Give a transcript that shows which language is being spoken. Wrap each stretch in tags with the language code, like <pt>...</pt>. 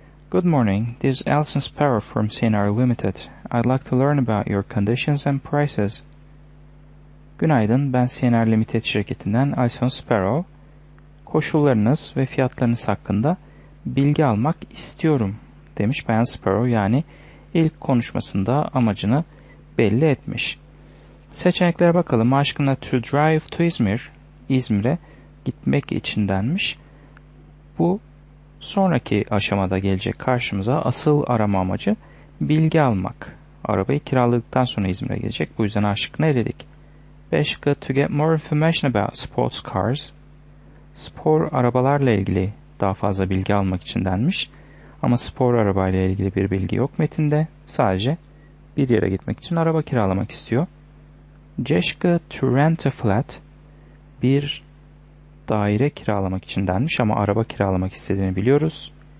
<en>Good morning, this is Elson Sparrow from CNR Limited. I'd like to learn about your conditions and prices.</en> <tr>Günaydın, ben CNR Limited şirketinden Elson Sparrow. Koşullarınız ve fiyatlarınız hakkında bilgi almak istiyorum demiş Bayan Sparrow. Yani ilk konuşmasında amacını belli etmiş. Seçeneklere bakalım. Aşkına,</tr> <en>to drive to İzmir,</en> <tr>İzmir'e gitmek için denmiş. Bu sonraki aşamada gelecek karşımıza. Asıl arama amacı bilgi almak. Arabayı kiraladıktan sonra İzmir'e gelecek. Bu yüzden A şıkkını eledik. B şıkkı,</tr> <en>to get more information about sports cars.</en> <tr>Spor arabalarla ilgili daha fazla bilgi almak için denmiş. Ama spor arabayla ilgili bir bilgi yok metinde. Sadece bir yere gitmek için araba kiralamak istiyor. C şıkkı,</tr> <en>to rent a flat.</en> <tr>Bir daire kiralamak için denmiş ama araba kiralamak istediğini biliyoruz.</tr>